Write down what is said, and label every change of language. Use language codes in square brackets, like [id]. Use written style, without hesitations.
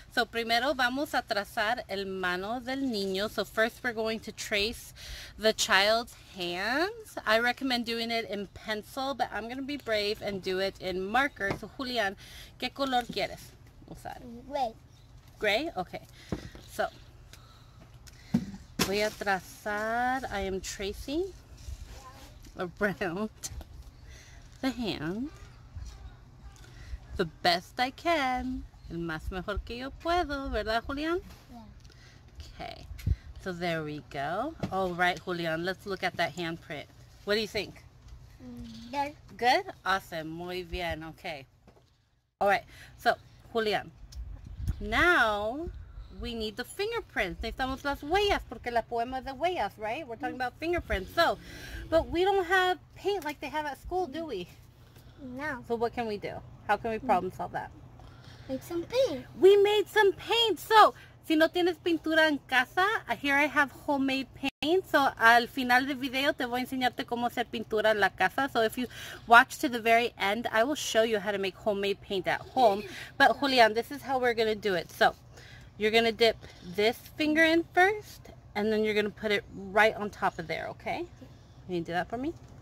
[es] So primero vamos a trazar el mano del niño. [en] So first we're going to trace the child's hands. I recommend doing it in pencil, but I'm gonna be brave and do it in marker. [es] So Julian, ¿qué color quieres usar? [en] Gray. Gray? Okay. So, [es] voy a trazar, [en] I am tracing around the hand the best I can. [es] El más mejor que yo puedo, ¿verdad, Julian? [en] Yeah. Okay. So there we go. All right, Julian, let's look at that handprint. What do you think? Good. Good? Awesome. [es] Muy bien. [en] Okay. All right. So, Julian, now we need the fingerprints. [es] Necesitamos las huellas, porque la poema es de huellas, [en] right? We're talking about fingerprints. So, but we don't have paint like they have at school, do we? No. So what can we do? How can we problem solve that? Make some paint. We made some paint. So, [es] si no tienes pintura en casa, [en] here I have homemade paint. [es] So, al final del video, te voy a enseñarte cómo hacer pintura en la casa. [en] So, if you watch to the very end, I will show you how to make homemade paint at home. But, Julian, this is how we're going to do it. So, you're going to dip this finger in first, and then you're going to put it right on top of there, okay? Can you do that for me?